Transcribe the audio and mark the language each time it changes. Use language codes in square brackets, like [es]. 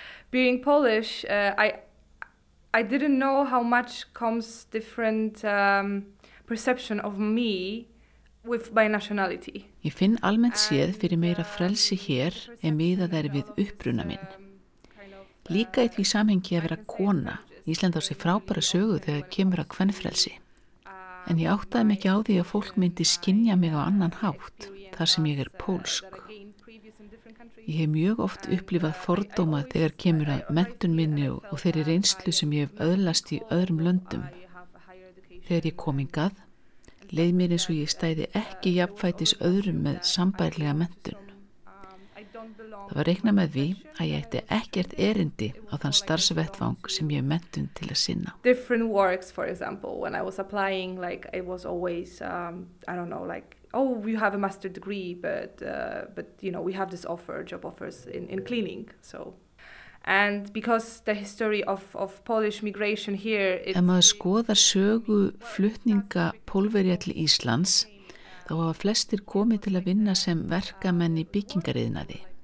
[en] Being Polish, I didn't know how much comes different perception of me with my nationality. [is] Ég finn almennt séð fyrir meira frelsi hér en miðað er við uppruna minn. Líka í því samhengi að vera kona, Ísland á sig frábæra sögu þegar kemur að kvenfrelsi. En ég áttaði mig ekki á því að fólk myndi skynja mig á annan hátt, þar sem ég pólsk. Ég hef mjög oft upplifað fordóma þegar kemur að menntun minni og þeirri reynslu sem ég hef öðlast í öðrum löndum. Þegar ég kom hingað, leið mér eins og ég stæði ekki jafnfætis öðrum með sambærlega menntun. Það var reiknað með því að ég ætti ekkert erindi á þann starfsvettvang sem ég menntun til að sinna. [en] Different works, for example, when I was applying, like, it was always, I don't know, like, oh, you have a master's degree, but you know, we have this offer, job offers in cleaning, so. And because the history of Polish migration here is... [is] Ef maður skoðar sögu flutninga Pólverja til Íslands, þá hafa flestir komið til að vinna sem verkamenn í byggingariðnaði.